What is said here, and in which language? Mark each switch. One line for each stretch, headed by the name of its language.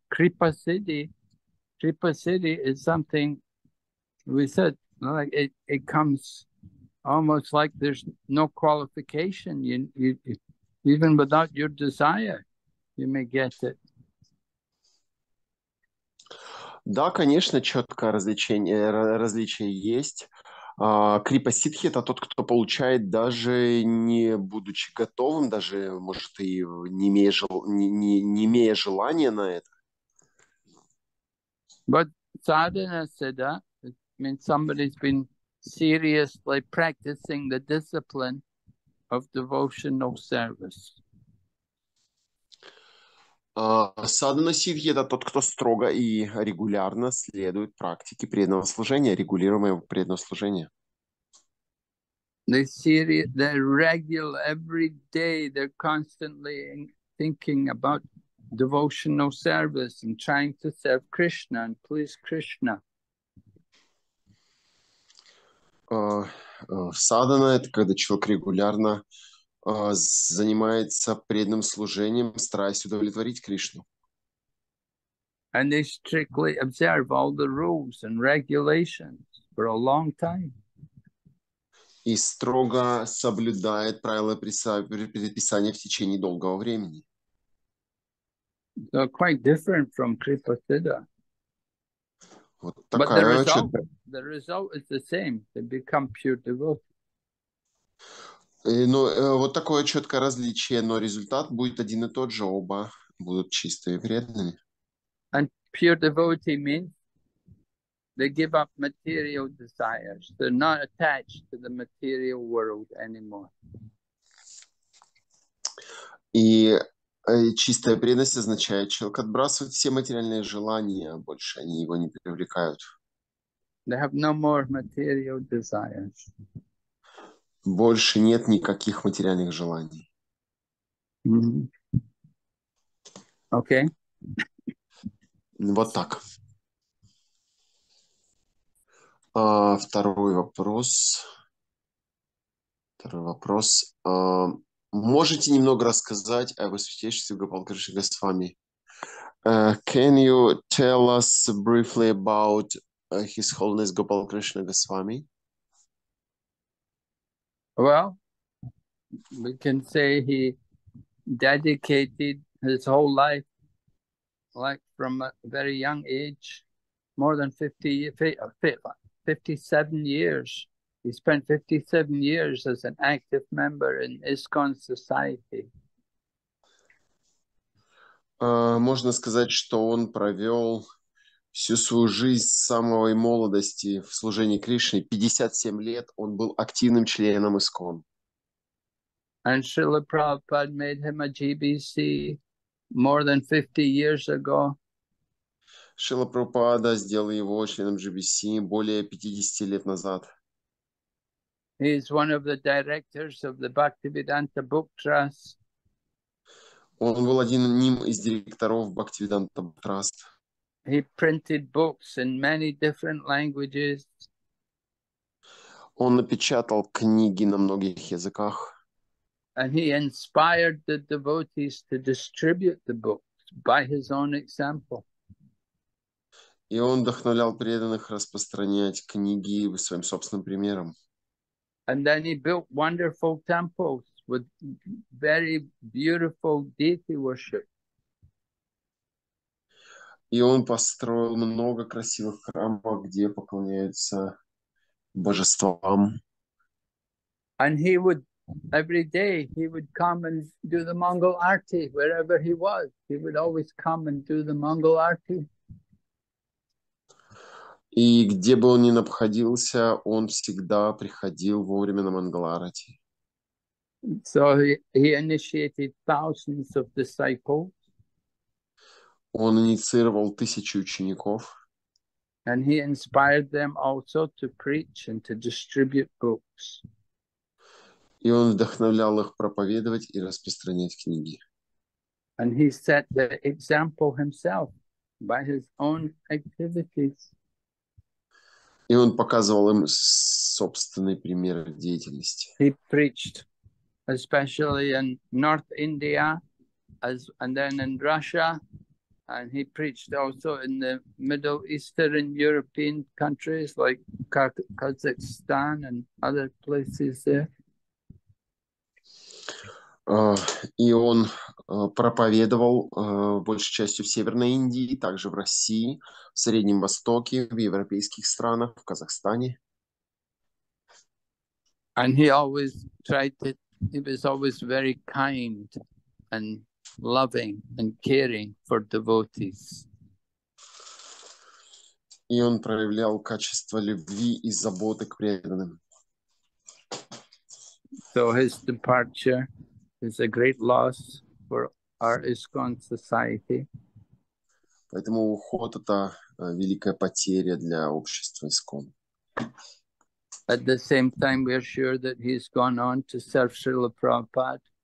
English: Kripa siddhi is something we said, like it comes almost like there's no qualification. You even without your desire, you may get it.
Russian: Да, конечно, четкое различие есть. Крипа-ситхи – это тот, кто получает, даже не будучи готовым, даже, может, и не имея желания на это.
English: But sadhana siddha, it means somebody's been seriously practicing the discipline of devotional service.
Russian: Садхана ситхи – это тот, кто строго и регулярно следует практике преданного служения, регулируемого преданного служения.
English: They see it, they're regular, every day they're constantly thinking about devotional service and trying to serve Krishna and please Krishna.
Russian: Садхана – это когда человек регулярно занимается преданным служением, стараясь удовлетворить Кришну.
English: And they strictly observe all the rules and regulations for a long time.
Russian: И строго соблюдает правила предписания в течение долгого времени.
English: So quite different from Kripa Siddha.
Russian: Вот такая
English: But the result is the same. They become pure devotees.
Russian: Ну, вот такое четкое различие, но результат будет один и тот же, оба будут чистые и преданные.
English: And pure devotee means they give up material desires. They're not attached to the material world anymore.
Russian: И чистая преданность означает, человек отбрасывает все материальные желания, больше они его не привлекают.
English: They have no more material desires.
Russian: Больше нет никаких материальных желаний.
English: Mm-hmm. Okay.
Russian: Вот так. Второй вопрос. Второй вопрос. Можете немного рассказать о высвятейшестве Гопал Кришна Госвами?
English: Can you tell us briefly about His Holiness Gopal Krishna Goswami? Well, we can say he dedicated his whole life, like from a very young age, more than 57 years. He spent 57 years as an active member in ISKCON society.
Russian: Можно сказать, что он провел всю свою жизнь с самой молодости в служении Кришне, 57 лет, он был активным членом ИСКОН.
English: And Srila Prabhupada made him a GBC more than 50 years ago.
Russian: Srila Prabhupada сделал его членом GBC более 50 лет назад.
English: He is one of the directors of the Bhaktivedanta Book Trust.
Russian: Он был одним из директоров Bhaktivedanta Book Trust.
English: He printed books in many different languages.
Russian: Он напечатал книги на многих языках.
English: And he inspired the devotees to distribute the books by his own example.
Russian: И он вдохновлял преданных распространять книги своим собственным примером.
English: And then he built wonderful temples with very beautiful deity worship.
Russian: И он построил много красивых храмов, где поклоняются божествам.
English: And he would, every day, he would come and do the Mangal Arti, wherever he was. He would always come and do the Mangal Arti.
Russian: И где бы он ни находился, он всегда приходил вовремя на Мангал Арти.
English: So he initiated thousands of disciples.
Russian: Он инициировал тысячи учеников.
English: And he inspired them also to preach and to distribute books.
Russian: И он вдохновлял их проповедовать и распространять книги.
English: And he set the example himself by his own activities.
Russian: И он показывал им собственный пример деятельности.
English: He preached, especially in North India, and then in Russia. And he preached also in the Middle Eastern European countries like Kazakhstan and other places there.
Russian: И он проповедовал большей частью в Северной Индии, также в России, в Среднем Востоке, в европейских странах, в Казахстане.
English: And he always tried to, he was always very kind and loving and caring for devotees.
Russian: И он проявлял качество любви и заботы к преданным.
English: So his departure is a great loss for our ISKCON society.
Russian: Поэтому уход — это великая потеря для общества ИСКОН.
English: At the same time, we are sure that he's gone on to serve Srila Prabhupada.